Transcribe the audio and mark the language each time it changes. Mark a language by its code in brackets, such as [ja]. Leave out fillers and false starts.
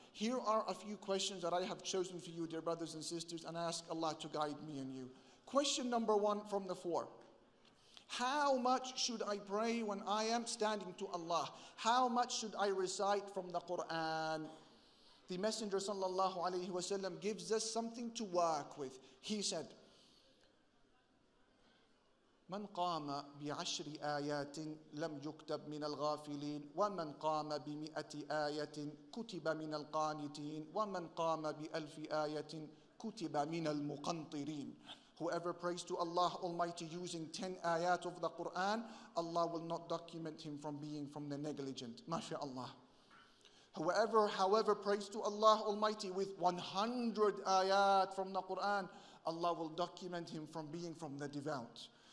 [en] Here are a few questions that I have chosen for you, dear brothers and sisters, and I ask Allah to guide me and you. Question number one from the four. How much should I pray when I am standing to Allah? How much should I recite from the Quran? The Messenger sallallahu alayhi wasallam gives us something to work with. He said, [ar] من قام بعشر آيات لم يكتب من الغافلين ومن قام بمئة آية كتب من القانتين ومن قام بألف آية كتب من المقنطرين. [en] Whoever prays to Allah Almighty using 10 ayat of the Quran, Allah will not document him from being from the negligent. MashaAllah. Whoever prays to Allah Almighty with 100 ayat from the Quran, Allah will document him from being from the devout.